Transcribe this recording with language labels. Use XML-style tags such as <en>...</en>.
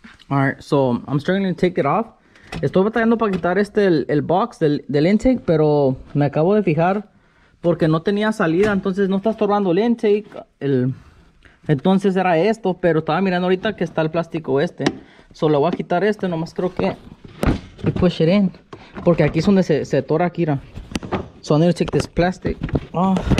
<en>Alright, so I'm struggling to take it off.</en> <es>Estoy batallando para quitar el box del intake, pero me acabo de fijar porque no tenía salida, entonces no está estorbando el intake. Entonces era esto, pero estaba mirando ahorita que está el plástico este. Solo voy a quitar este, nomás creo que. Y</es> <en>push it in.</en> <es>Porque aquí es donde se tora aquí, mira.</es> <en>So I need to take this plastic off.</en>